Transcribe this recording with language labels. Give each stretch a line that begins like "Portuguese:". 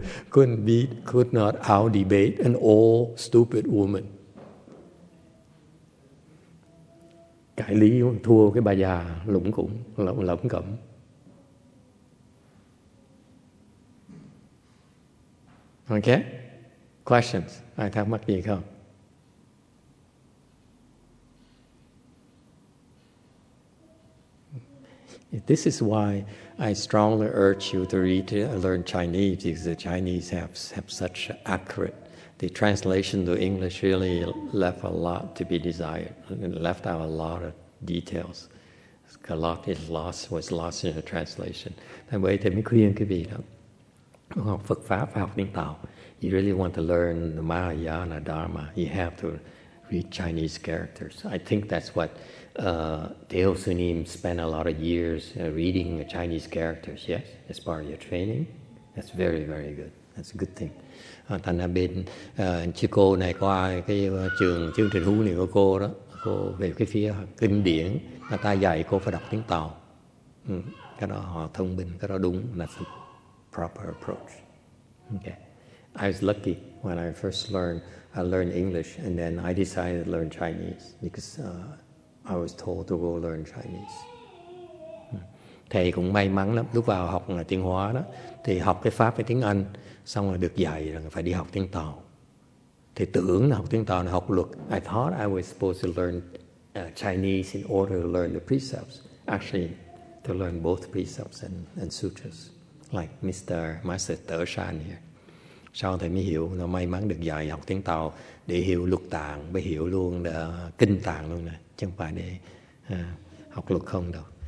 English: Could not out debate an old stupid woman.
Vietnamese: Cãi lý thua cái bà già lủng củng lẩm cẩm.
English: Okay, questions?
Vietnamese: Ai thắc mắc gì không?
English: This is why I strongly urge you to read and learn Chinese, because the Chinese have such accurate, the translation to English really left a lot to be desired, it left out a lot of details. A lot is lost, was lost in the translation.
Vietnamese: Thành vậy thì mới khuyên quý vị đó. Học Phật Pháp, học Niên Tạo,
English: you really want to learn the Mahayana Dharma, you have to read Chinese characters. I think that's what Dale Sunim spent a lot of years reading Chinese characters, yes, as part of your training. That's very, very good. That's a good thing.
Vietnamese: Thành ra bên chứ cô này qua cái trường chương trình huấn luyện của cô đó, cô về cái phía kinh điển, người ta dạy cô phải đọc tiếng Tàu. Cái đó họ thông minh, cái đó đúng,
English: that's a proper approach. Okay. I was lucky when I first learned, I learned English, and then I decided to learn Chinese because I was told to go learn Chinese.
Vietnamese: Thầy cũng may mắn lắm, lúc vào học tiếng Hoa đó, thì học cái Pháp với tiếng Anh, xong rồi được dạy là phải đi học tiếng Tàu. Thì tưởng là học tiếng Tàu là học luật.
English: I thought I was supposed to learn Chinese in order to learn the precepts. Actually, to learn both precepts and sutras, like Mr. Master Tử San here.
Vietnamese: Sau thầy mới hiểu, nó may mắn được dạy học tiếng Tàu để hiểu luật tạng, mới hiểu luôn là kinh tạng luôn nè. Chứ không phải để học luật không đâu.